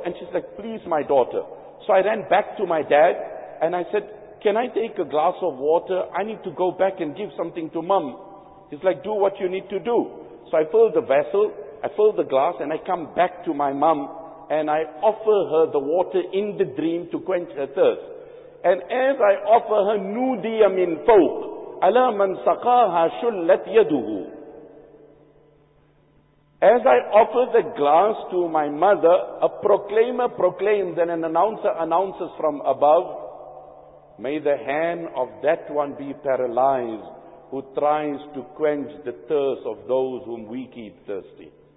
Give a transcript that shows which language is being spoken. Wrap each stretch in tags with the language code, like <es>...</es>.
<en>And she's like, please, my daughter. So I ran back to my dad, and I said, can I take a glass of water? I need to go back and give something to Mom. He's like, do what you need to do. So I fill the vessel, I fill the glass, and I come back to my mom, and I offer her the water in the dream to quench her thirst. And as I offer her,</en> <ar>نُودِيَ مِنْ فَوْقِ أَلَا مَنْ سَقَاهَا شُلَّتْ يَدُهُ.</ar> <en>As I offer the glass to my mother, a proclaimer proclaims and an announcer announces from above, may the hand of that one be paralyzed who tries to quench the thirst of those whom we keep thirsty.</en>